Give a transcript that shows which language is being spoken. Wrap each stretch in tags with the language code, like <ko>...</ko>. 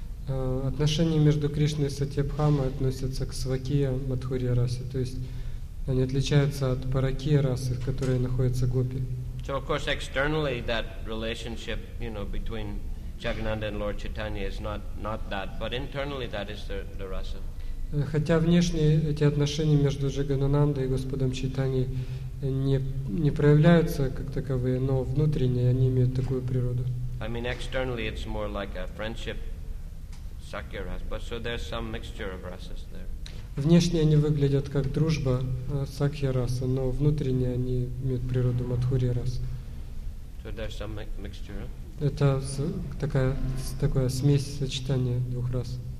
<ru>Отношения между Кришной и Сатьябхамой относятся к Свакия Мадхурья расе, то есть они отличаются от Паракия расы, в которой находятся гопи.</ru> <en>So, of course, externally that relationship, you know, between Jagannanda and Lord Chaitanya is not that, but internally that is the rasa.</en> <ru>Хотя внешне эти отношения между Джаганандой и Господом Чайтаньей не проявляются как таковые, но внутренние они имеют такую природу.</ru> <en>I mean, externally it's more like a friendship, sakya rasa, but so there's some mixture of rasas there.</en> <ru>Внешне они выглядят как дружба, сакья раса, но внутренние они имеют природу мадхурья раса.</ru> <en>So there's some mixture.</en> <ru>Это такая смесь сочетания двух рас.</ru>